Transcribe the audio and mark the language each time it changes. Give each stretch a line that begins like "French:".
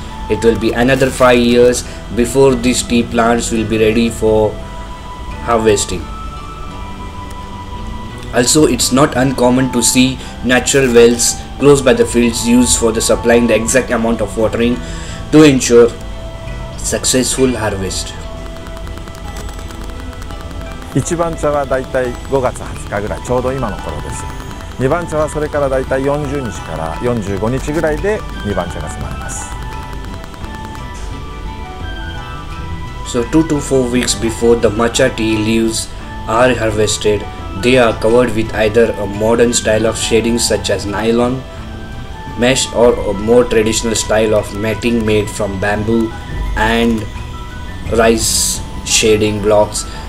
English: It will be another 5 years before these tea plants will be ready for harvesting. Also, it's not uncommon to see natural wells close by the fields used for the supplying the exact amount of watering to ensure successful harvest.
Japanese: 一番茶はだいたい5月20日ぐらい、ちょうど今の頃です。二番茶はそれからだいたい40日から45日ぐらいで二番茶が済まれます。
English: So 2 to 4 weeks before the matcha tea leaves are harvested, they are covered with either a modern style of shading such as nylon mesh or a more traditional style of matting made from bamboo and rice shading blocks